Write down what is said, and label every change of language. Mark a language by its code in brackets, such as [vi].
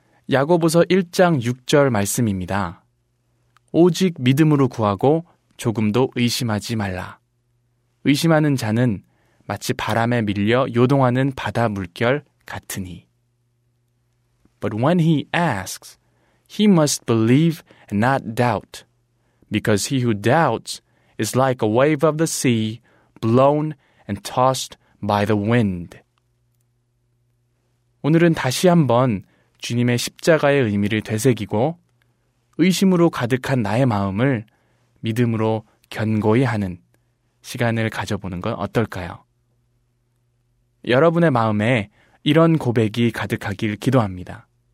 [ko] 야고보서 1장 6절 말씀입니다. 오직 믿음으로 구하고 조금도 의심하지 말라. 의심하는 자는 마치 바람에 밀려 요동하는 바다 물결 같으니. [en] But when he asks, he must believe and not doubt, because he who doubts is like a wave of the sea blown and tossed by the wind. [ko] 오늘은 다시 한번 주님의 십자가의 의미를 되새기고 의심으로 가득한 나의 마음을 믿음으로 견고히 하는 시간을 가져보는 건 어떨까요? 여러분의 마음에 이런 고백이 가득하길 기도합니다.